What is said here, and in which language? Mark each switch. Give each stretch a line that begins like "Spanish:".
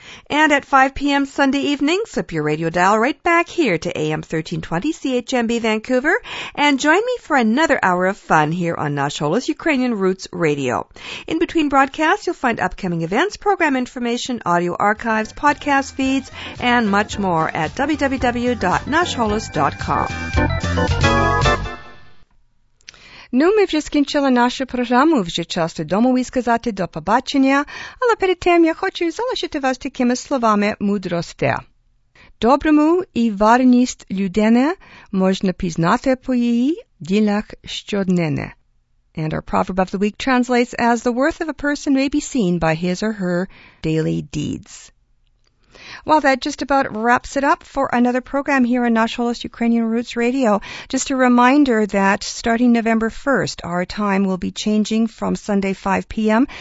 English: And at 5 p.m. Sunday evening, slip your radio dial right back here to AM 1320 CHMB Vancouver and join me for another hour of fun here on Nash Holos Ukrainian Roots Radio. In between broadcasts, you'll find upcoming events, program information, audio archives, podcast feeds, and much more at www.nashholos.com.
Ukrainian: Ну, ми вже скінчили нашу програму, вже час домові сказати до побачення, але перед тим я хочу залишити вас такими словами мудрості. Доброму і варність людини можна пізнати по її ділах щоденне.
English: And our proverb of the week translates as the worth of a person may be seen by his or her daily deeds. Well, that just about wraps it up for another program here on Nash Holos Ukrainian Roots Radio. Just a reminder that starting November 1st, our time will be changing from Sunday 5 p.m.